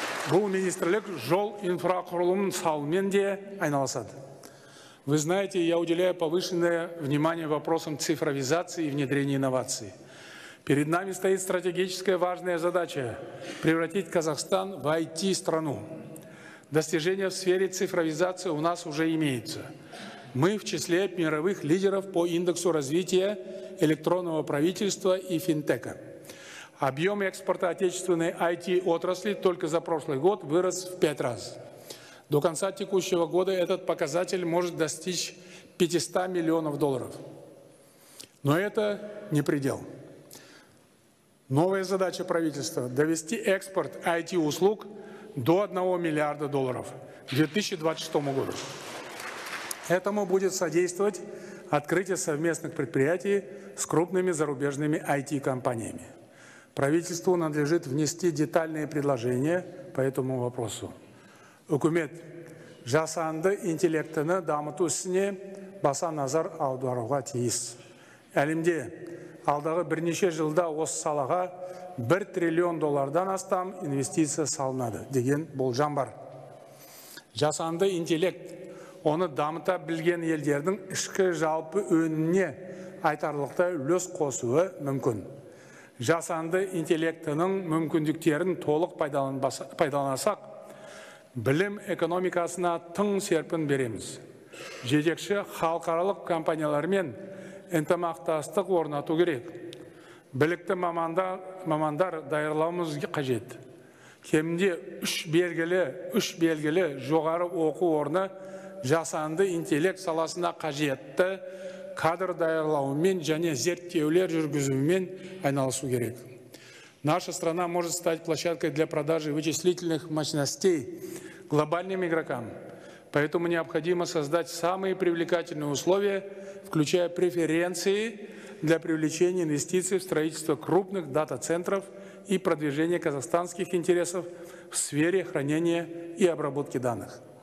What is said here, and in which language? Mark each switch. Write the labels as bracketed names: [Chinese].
[Kazakh] Бұл министрлік жол инфрақұрылымын салумен де айналысады. [Russian] Вы знаете, я уделяю повышенное внимание вопросам цифровизации и внедрения инноваций. Перед нами стоит стратегическая важная задача – превратить Казахстан в IT-страну. Достижения в сфере цифровизации у нас уже имеются. Мы в числе мировых лидеров по индексу развития электронного правительства и финтека. Объем экспорта отечественной IT-отрасли только за прошлый год вырос в 5 раз. До конца текущего года этот показатель может достичь 500 миллионов долларов. Но это не предел. Новая задача правительства – довести экспорт IT-услуг до 1 миллиарда долларов к 2026 году. Этому будет содействовать открытие совместных предприятий с крупными зарубежными IT-компаниями. Правительству надлежит внести детальные предложения по этому вопросу. [Kazakh] Үкімет жасанды интеллектіні дамыту ісіне баса назар аударуға тиіс. Әлемде алдағы бірнеше жылда осы салаға 1 триллион доллардан астам инвестиция салынады деген болжам бар. Жасанды интеллект оны дамыта білген елдердің ішкі жалпы өніне айтарлықтай үлес қосуы мүмкін. Жасанды интеллектінің мүмкіндіктерін толық пайдаланасақ, білім экономикасына тың серпін береміз. Жетекші халықаралық компаниялармен ынтымақтастық орнату керек. Білікті мамандар даярлауымыз қажет. Кемінде үш белгілі жоғары оқу орны жасанды интеллект саласына қажетті кадр даярлауымен және зерттеулер жүргізуімен айналысу керек. [Russian] Наша страна может стать площадкой для продажи вычислительных мощностей глобальным игрокам, поэтому необходимо создать самые привлекательные условия, включая преференции для привлечения инвестиций в строительство крупных дата-центров и продвижение казахстанских интересов в сфере хранения и обработки данных.